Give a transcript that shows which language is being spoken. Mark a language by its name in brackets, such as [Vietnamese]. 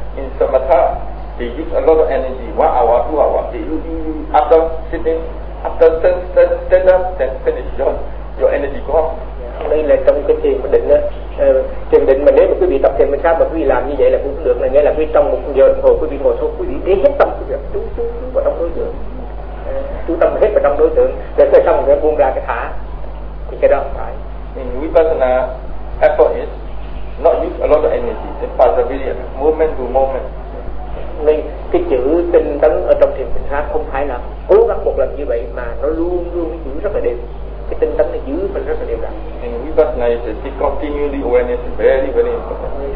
[English] In Samatha, they use a lot of energy, 1 hour, 2 hours. After sitting, after stand up, then finish, your energy go up. [Vietnamese] Đây là trong cái thiền định á, thiền định mà nếu mà quý vị tập thiền mình sao mà quý vị làm như vậy là cũng được, là nghĩa là quý trong một giờ đồng hồ quý vị ngồi xuống, quý vị thấy hết tâm quý vị chú vào trong đối tượng, chú tâm hết vào trong đối tượng, để rồi xong rồi buông ra cái thả, thì cái đó không phải. [English] In Vipassana, effort is not use a lot of energy, it's perseverance, moment to moment. [Vietnamese] Nên cái chữ tinh tấn ở trong thiền mình sao không phải là cố gắng một lần như vậy mà nó luôn luôn giữ rất là đều. Cái tinh tấn nó giữ mình rất là đều đặn. [English] And with us now, you see, continually awareness is very, very important.